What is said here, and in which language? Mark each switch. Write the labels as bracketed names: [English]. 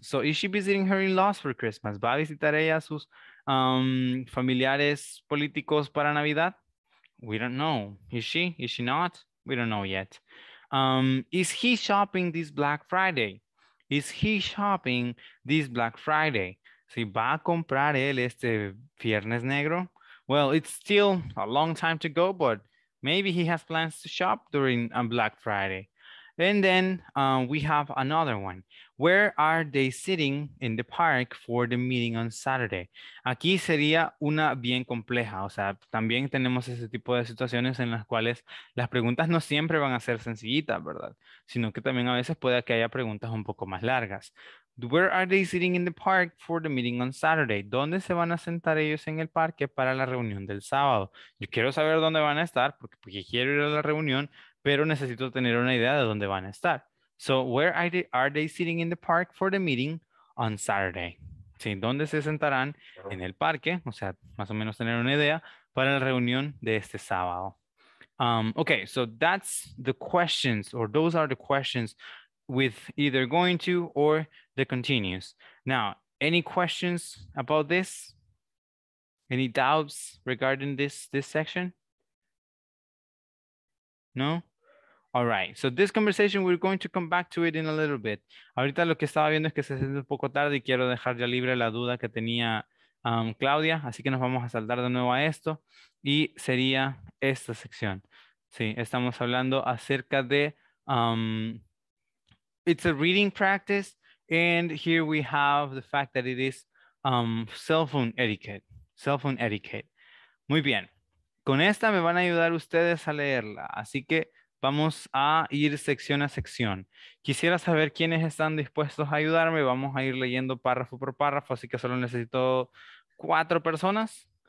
[English] So, is she visiting her in-laws for Christmas? [Spanish] ¿Va a visitar ella a sus familiares políticos para Navidad? [English] We don't know. Is she? Is she not? We don't know yet. Is he shopping this Black Friday? Is he shopping this Black Friday? [Spanish] ¿Sí, va a comprar él este Viernes Negro? [English] Well, it's still a long time to go, but maybe he has plans to shop during a Black Friday. And then we have another one. Where are they sitting in the park for the meeting on Saturday? [Spanish] Aquí sería una bien compleja. O sea, también tenemos ese tipo de situaciones en las cuales las preguntas no siempre van a ser sencillitas, ¿verdad? Sino que también a veces puede que haya preguntas un poco más largas. Where are they sitting in the park for the meeting on Saturday? ¿Dónde se van a sentar ellos en el parque para la reunión del sábado? Yo quiero saber dónde van a estar porque quiero ir a la reunión, pero necesito tener una idea de dónde van a estar. So, where are they sitting in the park for the meeting on Saturday? ¿Sí? ¿Dónde se sentarán en el parque? O sea, más o menos tener una idea para la reunión de este sábado. [English] Okay, so that's the questions, or those are the questions with either going to or the continues. Now, any questions about this? Any doubts regarding this section? No? All right, so this conversation, we're going to come back to it in a little bit. [Spanish] Ahorita lo que estaba viendo es que se siente un poco tarde y quiero dejar ya libre la duda que tenía Claudia, así que nos vamos a saltar de nuevo a esto y sería esta sección. Sí, estamos hablando acerca de... [English] it's a reading practice, and here we have the fact that it is cell phone etiquette. Cell phone etiquette. [Spanish] Muy bien. Con esta me van a ayudar ustedes a leerla, así que vamos a ir sección a sección. Quisiera saber quiénes están dispuestos a ayudarme. Vamos a ir leyendo párrafo por párrafo, así que solo necesito 4 personas.